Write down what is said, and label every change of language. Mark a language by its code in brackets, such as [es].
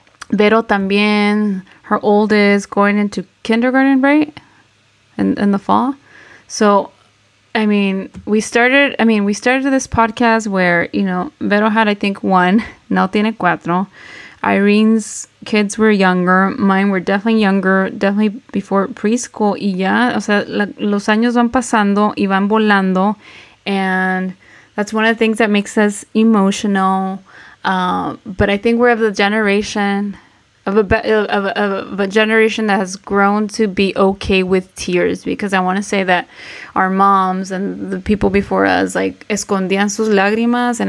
[en] Vero también, her oldest, going into kindergarten, right? In the fall. So, I mean, we started this podcast where, you know, Vero had, I think, one, now [es] tiene cuatro. [en] Irene's kids were younger. Mine were definitely younger, definitely before preschool. [es] Y ya, o sea, los años van pasando y van volando. [en] And that's one of the things that makes us emotional. But I think we're of the generation of a generation that has grown to be okay with tears, because I want to say that our moms and the people before us, like, [es] escondían sus lágrimas.